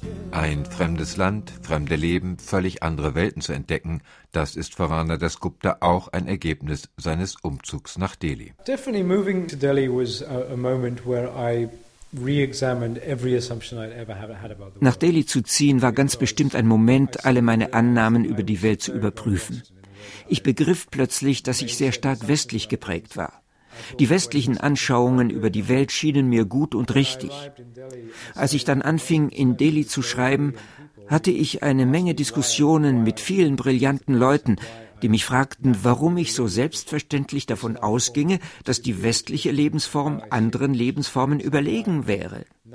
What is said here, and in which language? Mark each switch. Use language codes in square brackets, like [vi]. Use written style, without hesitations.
[de] Ein fremdes Land, fremde Leben, völlig andere Welten zu entdecken, das ist für Rana Dasgupta auch ein Ergebnis seines Umzugs nach Delhi. [en] Definitely moving to Delhi was a moment where I re-examined every assumption I'd ever had about the world. [de] Nach Delhi zu ziehen war ganz bestimmt ein Moment, alle meine Annahmen über die Welt zu überprüfen. Ich begriff plötzlich, dass ich sehr stark westlich geprägt war. Die westlichen Anschauungen über die Welt schienen mir gut und richtig. Als ich dann anfing, in Delhi zu schreiben, hatte ich eine Menge Diskussionen mit vielen brillanten Leuten, die mich fragten, warum ich so selbstverständlich davon ausginge, dass die westliche Lebensform anderen Lebensformen überlegen wäre.